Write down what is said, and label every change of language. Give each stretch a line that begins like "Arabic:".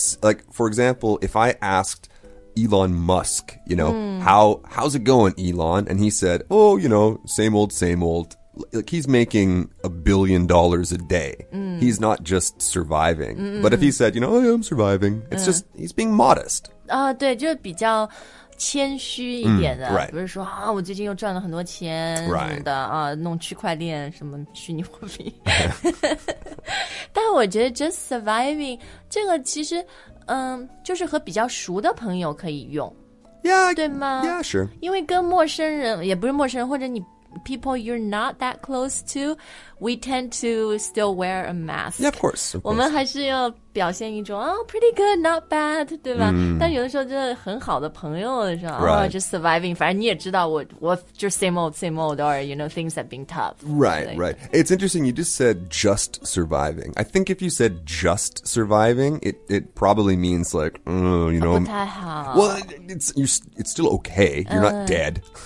English: Like, for example, if I asked Elon Musk, you know, how's it going, Elon? And he said, oh, you know, same old, same old. Like he's making $1 billion a day. He's not just surviving. But if he said, you know, I am surviving, it's just, he's being modest.
Chinese: 对，就比较谦虚一点的。
English: Right.
Chinese: 不是说啊，我最近又赚了很多钱的啊，弄区块链什么虚拟货币。但我觉得
English: just surviving,
Chinese: 这个其实就是和比较熟的朋友可以用。
English: Yeah.
Chinese: 对吗
English: Yeah, sure.
Chinese: 因为跟陌生人，也不是陌生人，或者你
English: people you're not that close to, we tend to still wear a mask. Yeah, of course. Of course.
Chinese: 我们还是要表现一种、
English: oh, pretty good, not bad,
Chinese: 对吧、mm. 但有的时候真的很好的朋友是吧、
English: right. oh, just surviving.
Chinese: 反正你也知道
English: just same old, or, you know, things have been tough. Right, right. It's interesting, you just said just surviving. I think if you said just surviving, it probably means like, you know.
Chinese: 不太好。
English: Well, it's still okay. You're not dead.